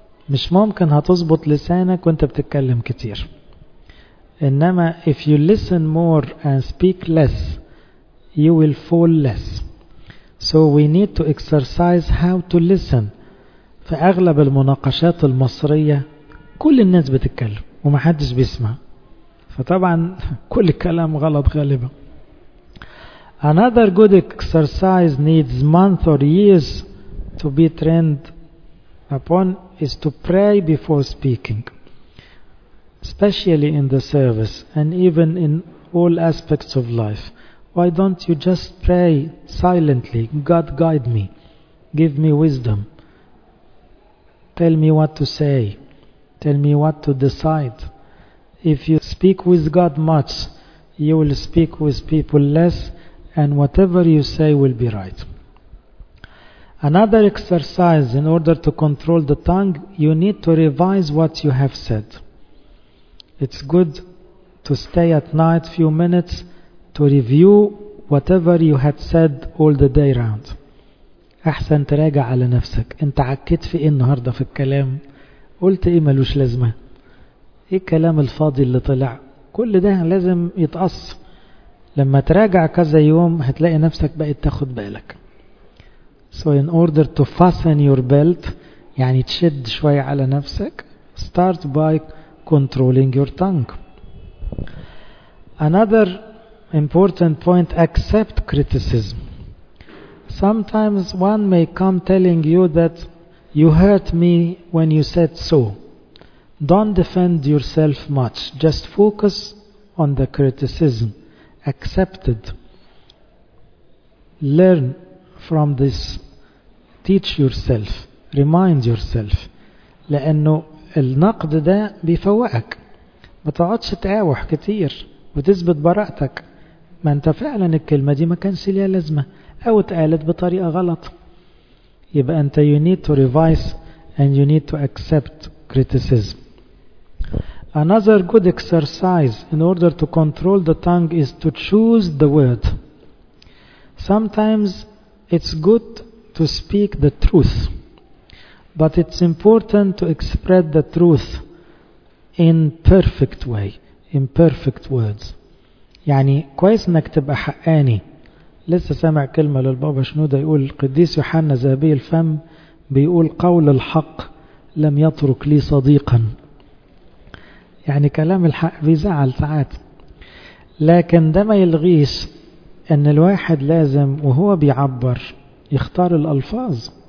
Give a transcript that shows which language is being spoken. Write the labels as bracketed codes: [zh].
[ar] مش ممكن هتظبط لسانك وانت بتتكلم كتير. إنما [en] if you listen more and speak less, you will fall less. So we need to exercise how to listen. [ar] في اغلب المناقشات المصرية كل الناس بتتكلم ومحدش بيسمع، فطبعا كل الكلام غلط غالبا. [en] Another good exercise needs months or years to be trained upon is to pray before speaking, especially in the service and even in all aspects of life. Why don't you just pray silently? God guide me, give me wisdom, tell me what to say, tell me what to decide. If you speak with God much, you will speak with people less, and whatever you say will be right. Another exercise in order to control the tongue, you need to revise what you have said. it's good to stay at night a few minutes to review whatever you had said all the day round. [ar] أحسن تراجع على نفسك. أنت عكيت في إيه النهاردة في الكلام؟ قلت إيه ملوش لازمة؟ إيه الكلام الفاضي اللي طلع؟ كل ده لازم يتقص. لما تراجع كذا يوم هتلاقي نفسك بقيت تاخد بالك. [en] So in order to fasten your belt, [ar] يعني تشد شوية على نفسك, [en] start by controlling your tongue. Another important point, accept criticism. Sometimes one may come telling you that you hurt me when you said so. Don't defend yourself much. Just focus on the criticism. Accept it. Learn from this. Teach yourself. Remind yourself. [ar] لأنه النقد ده بيفوقك. ما تقعدش تقاوح كتير وتثبت براءتك. ما انت فعلا الكلمة دي ما كانش ليها لازمة. أو اتقالت بطريقة غلط. يبقى أنت [en] you need to revise and you need to accept criticism. Another good exercise in order to control the tongue is to choose the word. Sometimes it's good to speak the truth, but it's important to express the truth in perfect way, in perfect words. [ar] يعني كويس أنك تبقى حقاني. لسه سامع كلمة للبابا شنودة يقول القديس يوحنا ذهبي الفم بيقول قول الحق لم يترك لي صديقا. يعني كلام الحق بيزعل ساعات, لكن ده ما يلغيش ان الواحد لازم وهو بيعبر يختار الألفاظ.